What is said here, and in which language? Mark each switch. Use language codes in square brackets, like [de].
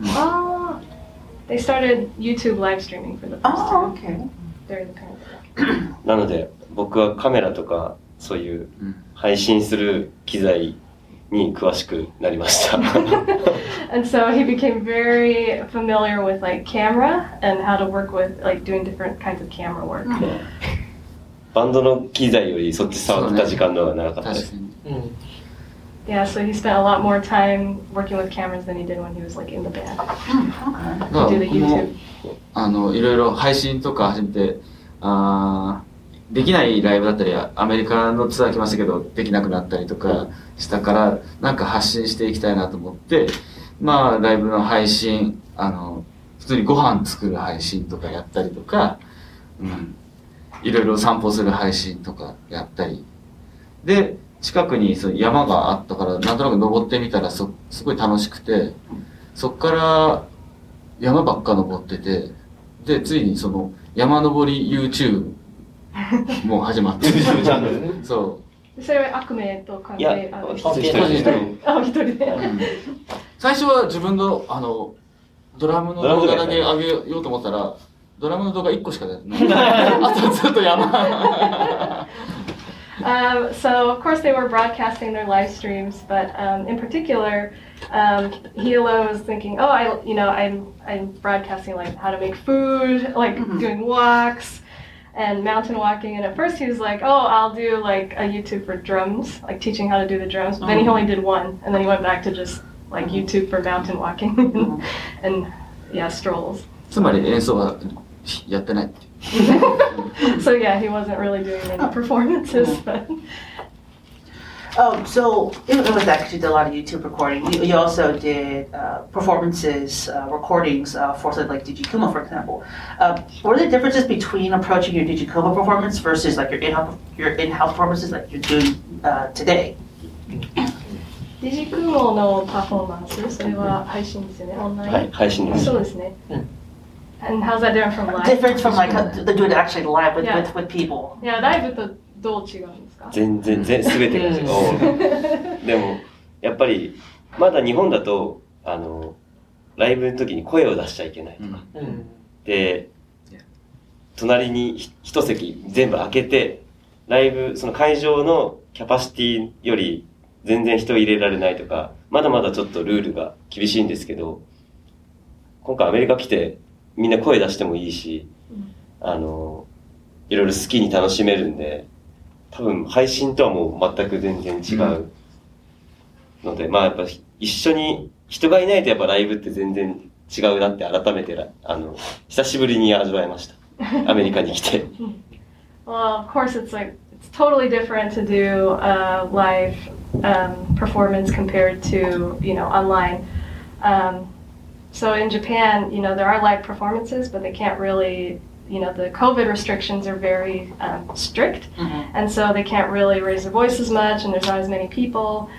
[en] ああ、They started YouTube live streaming for the first time. Okay. During the pandemic. [ja] なので僕はカメラとかそういう配信する機材に詳しくなりました。 [en] And so he became very familiar with like camera and how to work with like doing different kinds of camera work. [ja] バンドの機材よりそっち触った時間の方が長かったです。 [en] ね、yeah, so he spent a lot more time working with cameras than he did when he was like in the band. Okay. Do the YouTube. [ja] あのいろいろ配信とか始めて、あできないライブだったり、アメリカのツアー来ましたけど、できなくなったりとかしたから、なんか発信していきたいなと思って、まあ、ライブの配信、あの、普通にご飯作る配信とかやったりとか、うん、いろいろ散歩する配信とかやったり。で、近くにそう山があったから、なんとなく登ってみたら、すごい楽しくて、そっから山ばっか登ってて、で、ついにその、山登り YouTube、もう始まってる。チャンネル。そう。それは悪名と関係ある。いや、一人で。あ、一人で。最初は自分のあのドラムの動画だけ上げようと思ったら、ドラムの動画1個しか出ない。あとずっと山。 [en] So of course they were broadcasting their live streams, but in particular, Hilo was thinking, oh, I'm broadcasting like how to make food, like doing walks. And mountain walking, and at first he was like, oh, I'll do like a YouTube for drums, like teaching how to do the drums. But then he only did one, and then he went back to just like YouTube for mountain walking and yeah, strolls. つまり演奏はやってない。 So yeah, he wasn't really doing any performances. So in fact, you did a lot of YouTube recording. You also did performances, recordings for like Digikuma, for example. What are the differences between approaching your Digikuma performance versus like your in-house performances like you're doing today? [ja] Digikuma のパフォーマンス、それは配信ですよね、オンライン。はい、配信です。そうですね。 [en] And how's that different from live? Different from like doing it actually live with people. [ja] Yeah, live とどう違う。全然全てが違う。でもやっぱりまだ日本だとあのライブの時に声を出しちゃいけないとか、で隣に一席全部開けてライブその会場のキャパシティより全然人を入れられないとか、まだまだちょっとルールが厳しいんですけど、今回アメリカ来てみんな声出してもいいし、あのいろいろ好きに楽しめるんで、多分配信とはもう全く全然違うので、うん、まあやっぱ一緒に人がいないとやっぱライブって全然違うなって改めてあの久しぶりに味わいました。アメリカに来て。 [en] Well, of course, it's like it's totally different to do a live performance compared to, you know, online. So in Japan, you know, there are live performances, but they can't really. You know, the COVID restrictions are very strict, and so they can't really raise their voice as much, and there's not as many people.